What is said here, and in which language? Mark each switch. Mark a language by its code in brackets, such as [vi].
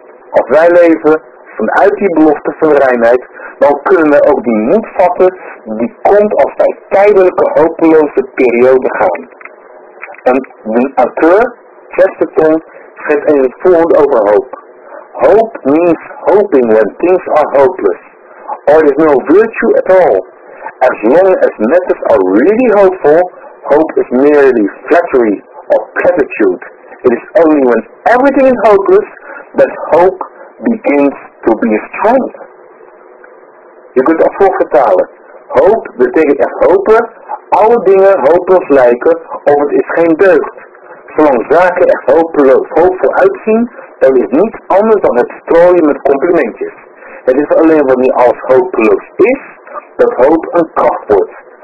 [nl] Als wij leven vanuit die belofte van reinheid, dan kunnen we ook die moed vatten die komt als wij tijdelijke hopeloze periode gaan. En de auteur, Chesterton, schrijft in het volgende over hoop. [en] Hope means hoping when things are hopeless, or there's no virtue at all. As long as matters are really hopeful, hope is merely flattery or platitude. It is only when everything is hopeless that hope begins to be strong. [nl] Je kunt dat voor vertalen. Hope betekent echt hopen, alle dingen hopeloos lijken of het is geen deugd. Zolang zaken echt hopeloos hoopvol uitzien, dan is niets anders dan het strooien met complimentjes. Het is alleen wanneer alles hopeloos is, dat hoop een kracht wordt.